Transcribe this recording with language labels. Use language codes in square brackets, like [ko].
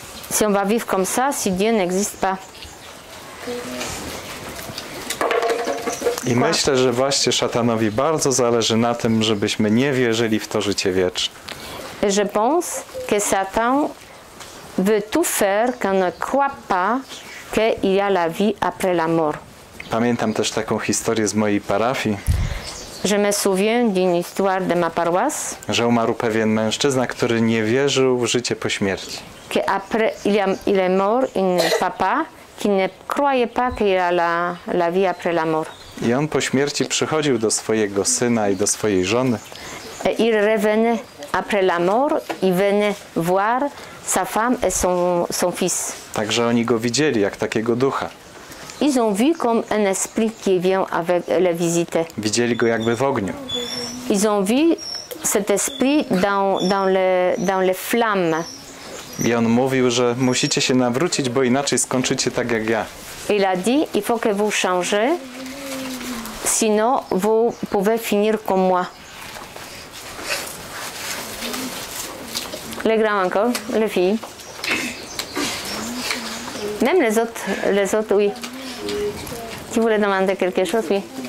[fr] Si on va vivre comme ça, si Dieu n'existe pas. [pl] I myślę, że właśnie szatanowi bardzo zależy na tym, żebyśmy nie wierzyli w to życie wieczne. [fr] Je pense que Satan veut tout faire qu'on ne croit pas qu'il y a la vie après la mort. [pl] Pamiętam też taką historię z mojej parafii. [fr] Je me souviens d'une histoire de ma paroisse. [pl] Że umarł pewien mężczyzna, który nie wierzył w życie po śmierci. [fr] Que après il est mort un papa qui ne croyait pas qu'il y a la vie après la mort. [pl] I on po śmierci przychodził do swojego syna i do swojej żony. [fr] Et il revenait après la mort, il venait voir sa femme et son fils. [pl] Także oni go widzieli jak takiego ducha. [fr] Ils ont vu comme un esprit qui vient avec la visite. [pl] Widzieli go jakby w ogniu. [fr] Ils ont vu cet esprit dans les flammes. [pl] I on mówił, że musicie się nawrócić, bo inaczej skończycie tak jak ja. [fr] Il a dit, il faut que vous changez, sinon vous pouvez finir comme moi. Les grands encore, les filles. Même les autres, oui. Tu voulais demander quelque chose, oui.